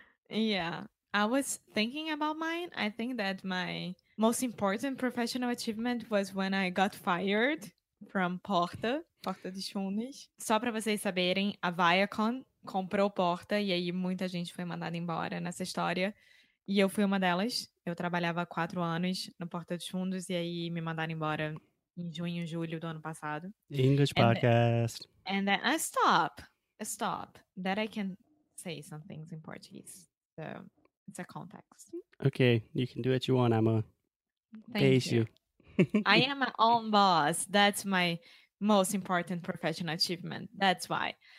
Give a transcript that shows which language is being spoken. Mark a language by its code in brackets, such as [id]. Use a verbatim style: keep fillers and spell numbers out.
[en] Yeah, I was thinking about mine. I think that my most important professional achievement was when I got fired from Porta, Porta de Fundos. [pt] Só para vocês saberem, a Viacom comprou Porta e aí muita gente foi mandada embora nessa história. E eu fui uma delas. Eu trabalhava há quatro anos no Porta dos Fundos e aí me mandaram embora em junho, julho do ano passado. [en] English And the- podcast. And then I stop, stop. That I can say some things in Portuguese. So it's a context. Okay, you can do what you want, Emma. Thank Pace you. I am my own boss. That's my most important professional achievement. That's why.